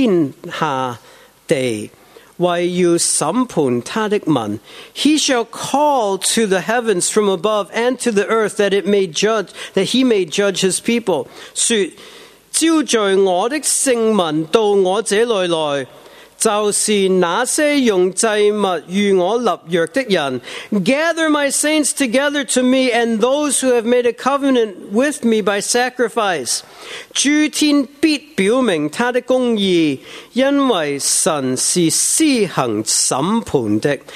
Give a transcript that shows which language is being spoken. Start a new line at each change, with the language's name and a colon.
Chinese: 他招呼上天下地, 为要审判他的民.
English: He shall call to the heavens from above and to the earth that it may judge, that he may judge his people.
Chinese: 说，召聚我的圣民到我这里来, 就是那些用祭物与我立约的人.
English: Gather my saints together to me and those who have made a covenant with me by sacrifice.
Chinese: 诸天必表明他的公义, 因为神是施行审判的.